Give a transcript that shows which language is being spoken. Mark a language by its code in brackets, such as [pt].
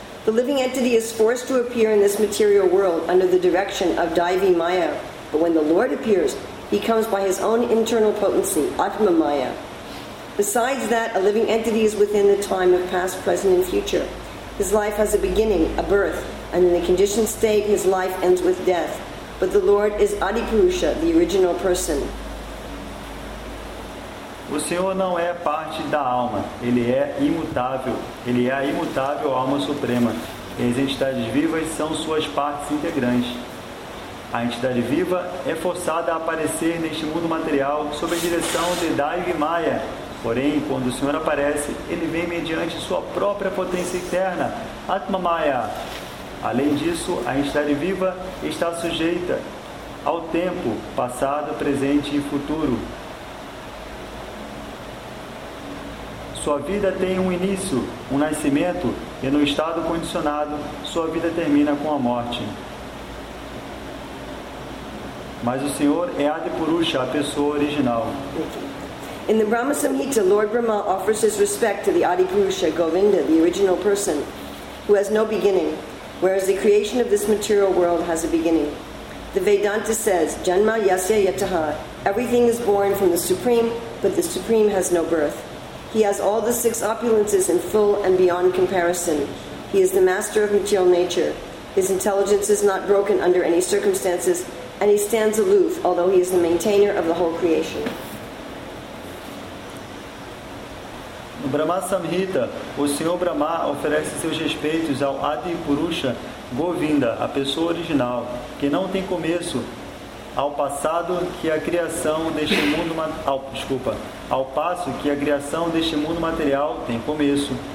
[en] The living entity is forced to appear in this material world under the direction of Daivi Maya, but when the Lord appears, he comes by his own internal potency, Atma Maya. Besides that, a living entity is within the time of past, present, and future. His life has a beginning, a birth, and in the conditioned state, his life ends with death. But the Lord is Adipurusha, the original person. [pt] O Senhor não é parte da alma, ele é imutável, ele é a imutável alma suprema. E as entidades vivas são suas partes integrantes. A entidade viva é forçada a aparecer neste mundo material sob a direção de Daivi Maya. Porém, quando o Senhor aparece, ele vem mediante sua própria potência eterna, Atma Maya. Além disso, a entidade viva está sujeita ao tempo, passado, presente e futuro. Sua vida tem um início, um nascimento, e no estado condicionado, sua vida termina com a morte. Mas o Senhor é Adipurusha, a pessoa original. [en] In the Brahma Samhita, Lord Brahma offers his respect to the Adipurusha, Govinda, the original person, who has no beginning, whereas the creation of this material world has a beginning. The Vedanta says, [sa] Janma yasya yataha, [en] everything is born from the Supreme, but the Supreme has no birth. He has all the six opulences in full and beyond comparison. He is the master of material nature. His intelligence is not broken under any circumstances, and he stands aloof, although he is the maintainer of the whole creation. [pt] No Brahma Samhita, o Senhor Brahma oferece seus respeitos ao Adi Purusha Govinda, a pessoa original, que não tem começo, ao passado que a criação deste mundo ao passo que a criação deste mundo material tem começo.